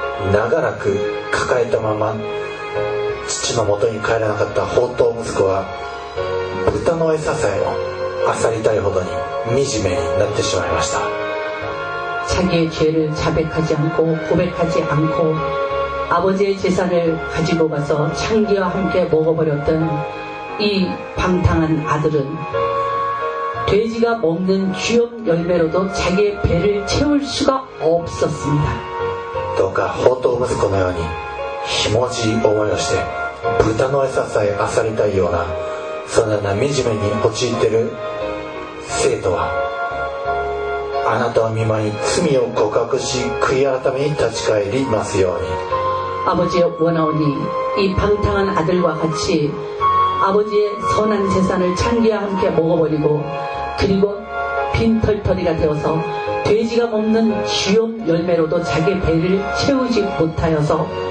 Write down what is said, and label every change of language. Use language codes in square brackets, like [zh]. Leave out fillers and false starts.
[ja] 自分の過ち自分の罪を長らく抱えたまま 父の元に帰らなかった放蕩息子は豚の餌さえも漁りたいほどに惨めになってしまいました。 [ko] 자기의 죄를 자백하지 않고 고백하지 않고 아버지의 재산을 가지고 가서 창기와 함께 먹어버렸던 이 방탕한 아들은 돼지가 먹는 귀염 열매로도 자기의 배를 채울 수가 없었습니다. [ja] 또가 放蕩息子のように 힘오지思いをして 豚の餌さえ漁りたいようなそんな惨めに陥っている生徒はあなたを見舞い罪を告白し悔い改めに立ち返りますように。 [ko] 아버지의 원하오니 이 방탕한 아들과 같이 아버지의 선한 재산을 창기와 함께 먹어버리고 그리고 빈털터리가 되어서 돼지가 먹는 귀염 열매로도 자기 배를 채우지 못하여서